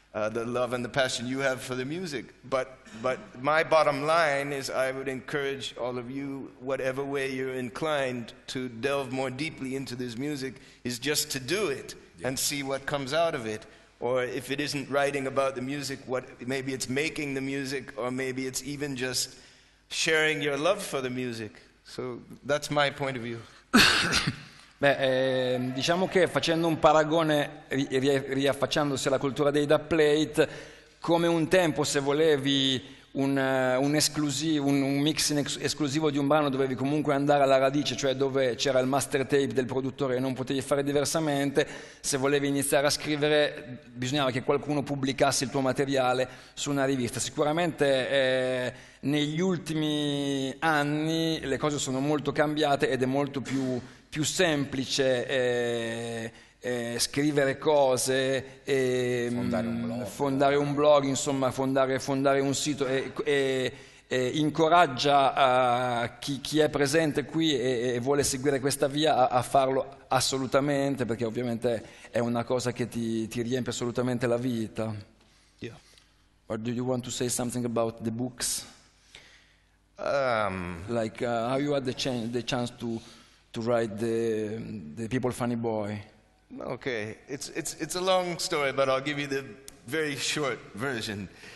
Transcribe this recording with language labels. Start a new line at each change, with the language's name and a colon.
English: the love and the passion you have for the music. But my bottom line is I would encourage all of you, whatever way you're inclined, to delve more deeply into this music, is just to do it and see what comes out of it. Or if it isn't writing about the music, what, maybe it's making the music, or maybe it's even just sharing your love for the music. So that's my point of view.
Italian: Diciamo che facendo un paragone, riaffacciandosi alla cultura dei dubplate, come un tempo se volevi un mix esclusivo di un brano dovevi comunque andare alla radice, cioè dove c'era il master tape del produttore e non potevi fare diversamente, se volevi iniziare a scrivere bisognava che qualcuno pubblicasse il tuo materiale su una rivista. Sicuramente negli ultimi anni le cose sono molto cambiate ed è molto più semplice scrivere cose, fondare un blog, insomma, fondare un sito, e incoraggia chi è presente qui e vuole seguire questa via a farlo assolutamente, perché ovviamente è una cosa che ti riempie assolutamente la vita.
English: Yeah. Or do you want to say something about the books? How you had the chance to write the People Funny Boy? Okay, it's a long story, but I'll give you the very short version.